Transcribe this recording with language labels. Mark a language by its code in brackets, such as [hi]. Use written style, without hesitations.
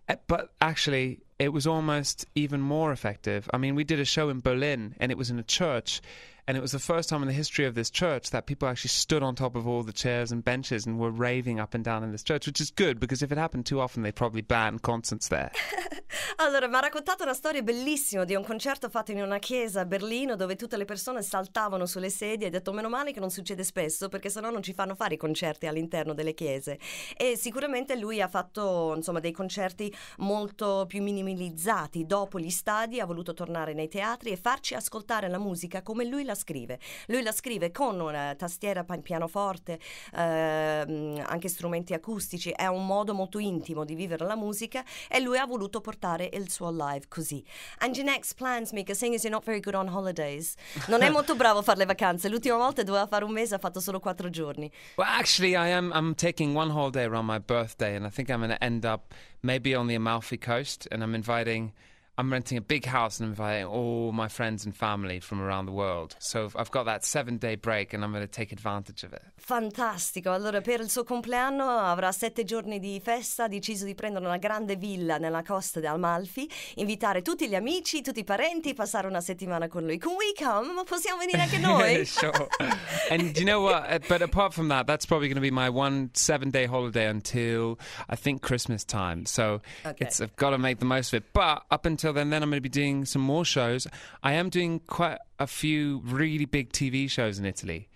[en] But actually, it was almost even more effective. I mean, we did a show in Berlin and it was in a church, and it was the first time in the history of this church that people actually stood on top of all the chairs and benches and were raving up and down in this church, which is good, because if it happened too often, they'd probably ban concerts there. [it] Allora, mi ha raccontato una storia bellissima di un concerto fatto in una chiesa a Berlino dove tutte le persone saltavano sulle sedie, e ha detto meno male che non succede spesso, perché sennò non ci fanno fare i concerti all'interno delle chiese. E sicuramente lui ha fatto, insomma, dei concerti molto più minimalizzati. Dopo gli stadi ha voluto tornare nei teatri e farci ascoltare la musica come lui la scrive. Lui la scrive con una tastiera, pianoforte, anche strumenti acustici. È un modo molto intimo di vivere la musica, e lui ha voluto portare il suo live così. [en] And your next plans, Mika, seeing as you're not very good on holidays. [it] Non è molto bravo a fare le vacanze. L'ultima volta doveva fare un mese, ha fatto solo 4 giorni. [en] Well, actually, I'm taking one holiday around my birthday, and I think I'm going to end up maybe on the Amalfi Coast, and I'm renting a big house and inviting all my friends and family from around the world. So I've got that 7-day break and I'm going to take advantage of it. [it] Fantastico. Allora, per il suo compleanno avrà 7 giorni di festa. Ha deciso di prendere una grande villa nella costa di Amalfi, invitare tutti gli amici, tutti i parenti, passare una settimana con lui. [en] Can we come? [it] Possiamo venire anche noi? [en] Sure. And you know what? But apart from that, that's probably going to be my 1 7-day holiday until, I think, Christmas time. So I've got to make the most of it. But up until then I'm going to be doing some more shows. I am doing quite a few really big TV shows in Italy.